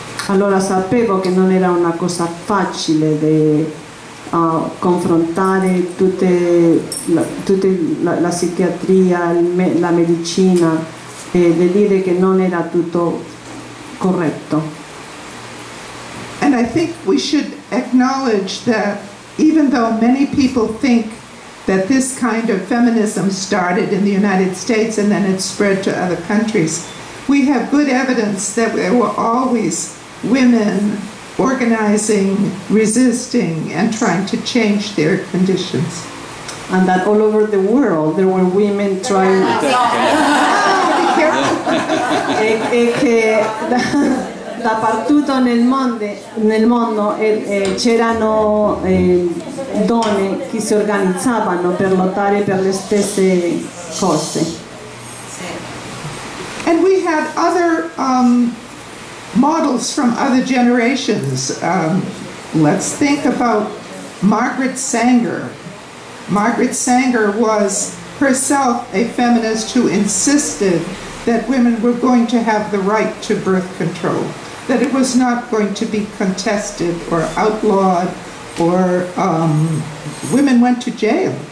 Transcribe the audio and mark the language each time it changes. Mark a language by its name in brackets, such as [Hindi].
[Italian] Allora sapevo che non era una cosa facile di confrontare tutte la psichiatria, la medicina, e di dire che non era tutto corretto. [English] And I think we should acknowledge that even though many people think that this kind of feminism started in the United States and then it spread to other countries, we have good evidence that there were always women organizing, resisting, and trying to change their conditions. And that all over the world there were women trying [Italian] e che dappertutto nel mondo c'erano donne che si organizzavano per lottare per le stesse cose. [English] And we had other models from other generations. Let's think about Margaret Sanger. Margaret Sanger was herself a feminist who insisted that women were going to have the right to birth control, that it was not going to be contested or outlawed, or women went to jail.